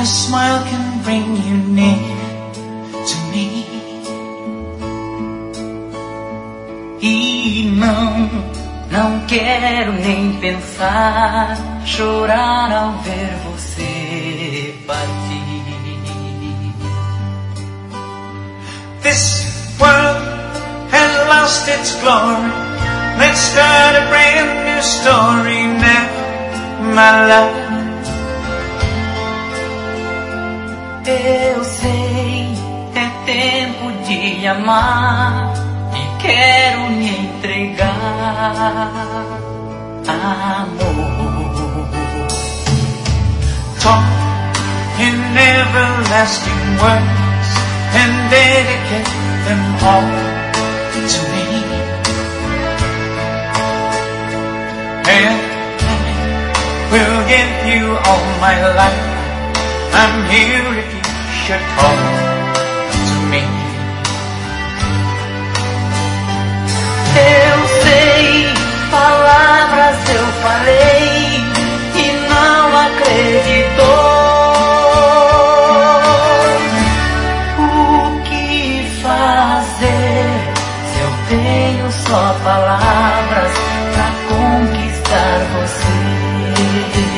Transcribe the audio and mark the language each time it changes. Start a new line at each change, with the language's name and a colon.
English: A smile can bring you near to me.
Portuguese: E não quero nem pensar, chorar ao ver você partir.
English: This world has lost its glory. Let's start a brand new story now, my love.
Portuguese: Eu sei, é tempo de amar. E quero me entregar, amor.
English: Talk in everlasting words and dedicate them all to me. And I will give you all my life. I'm here if you should call to me.
Portuguese: Eu sei, palavras eu falei e não acreditou. O que fazer se eu tenho só palavras pra conquistar você?